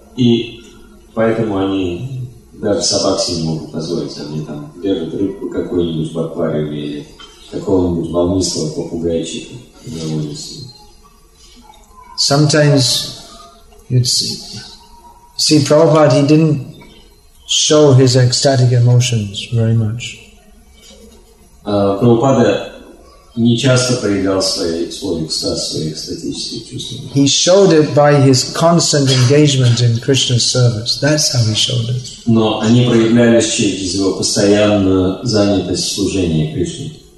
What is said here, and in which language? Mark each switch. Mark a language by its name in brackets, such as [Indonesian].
[Russian] И поэтому они даже собак себе не могут позволить. Они там держат рыбку какой-нибудь в аквариуме или какого-нибудь волнистого попугайчика на улице. [English] Sometimes you'd see Prabhupada, he didn't show his ecstatic emotions very much. [Russian] Prabhupada не часто проявлял свой экстаз, свои экстатические чувства. [English] He showed it by his constant engagement in Krishna's service. That's how he showed it. [Russian] Но они проявлялись через его постоянную занятость служения Кришне.